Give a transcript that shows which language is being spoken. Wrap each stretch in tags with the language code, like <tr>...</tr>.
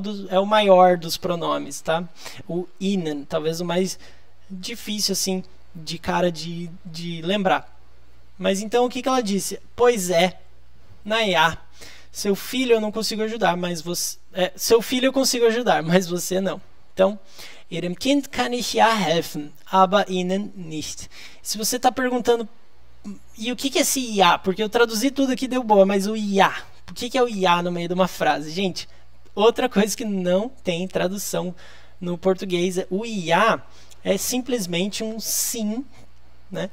<pt>É o maior dos pronomes, tá? O Ihnen, talvez o mais difícil, assim, de cara de lembrar. Mas então, o que que ela disse? Pois é, naia. Seu filho eu não consigo ajudar, mas você. Seu filho eu consigo ajudar, mas você não.</pt> <de>Então, Ihrem Kind kann ich ja helfen, aber Ihnen nicht.</de> <pt>Se você está perguntando, e o que é esse ja? Porque eu traduzi tudo aqui, deu boa, mas o ja? O que é o ja no meio de uma frase? Gente, outra coisa que não tem tradução no português é o ja é simplesmente um sim, né?</pt>